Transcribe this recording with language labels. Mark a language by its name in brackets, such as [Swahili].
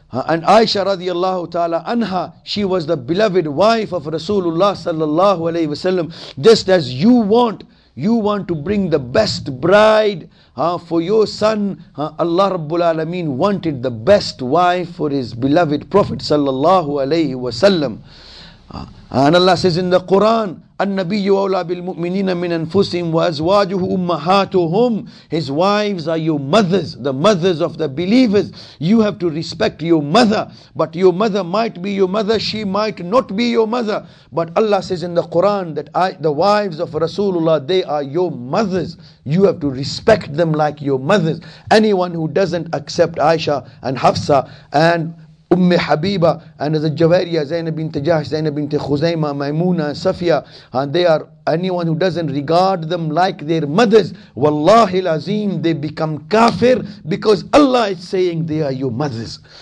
[English] And Aisha radiallahu ta'ala anha, she was the beloved wife of Rasulullah sallallahu alayhi wa sallam. Just as you want to bring the best bride for your son, Allah Rabbul Alameen wanted the best wife for his beloved Prophet sallallahu alayhi wa sallam. And Allah says in the Quran, [Arabic] النَّبِيُّ أَوْلَى بِالْمُؤْمِنِينَ مِنْ أَنفُسِهِمْ وَأَزْوَاجُهُ أُمَّهَاتُهُمْ. [English] His wives are your mothers, the mothers of the believers. You have to respect your mother. But your mother might be your mother, she might not be your mother. But Allah says in the Quran that the wives of Rasulullah, they are your mothers. You have to respect them like your mothers. Anyone who doesn't accept Aisha and Hafsa and Umm Habiba and the Javariya, Zainab bint Jahsh, Zainab bint Khuzaima, Maimuna, Safiya, and they are anyone who doesn't regard them like their mothers, Wallahi Lazim, they become kafir, because Allah is saying they are your mothers.